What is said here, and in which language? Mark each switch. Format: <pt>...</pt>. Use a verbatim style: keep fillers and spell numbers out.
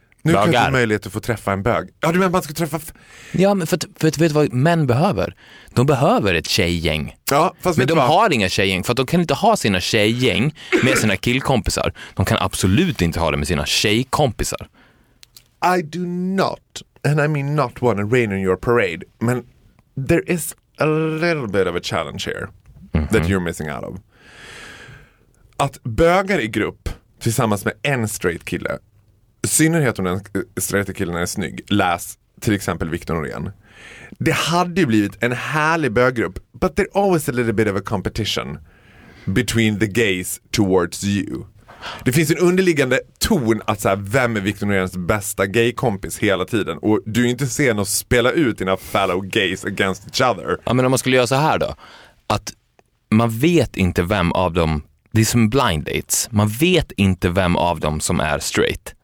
<sv>Nu har du möjlighet att få träffa en bög. Ja, du menar man ska träffa... F- ja, men för att, för att vet du vad män behöver? De behöver ett tjejgäng. Ja, fast men de vad? har inga tjejgäng. För att de kan inte ha sina tjejgäng med sina killkompisar. De kan absolut inte ha det med sina tjejkompisar.</sv> <en>I do not, and I mean not wanna rain on your parade. Men there is a little bit of a challenge here mm-hmm. that you're missing out of.</en> <sv>Att bögar i grupp tillsammans med en straight kille, i synnerhet om den straighta killen är snygg, läs till exempel Victor Norén. Det hade ju blivit en härlig böggrupp,</sv> <en>but there's always a little bit of a competition between the gays towards you.</en> <sv>Det finns en underliggande ton att så här, vem är Victor Noréns bästa gaykompis hela tiden, och du är inte sen att spela ut dina</sv> <en>fellow gays against each other.</en> <sv>Ja, men om man skulle göra så här då, att man vet inte vem av dem, det är som blind dates, man vet inte vem av dem som är straight.</sv>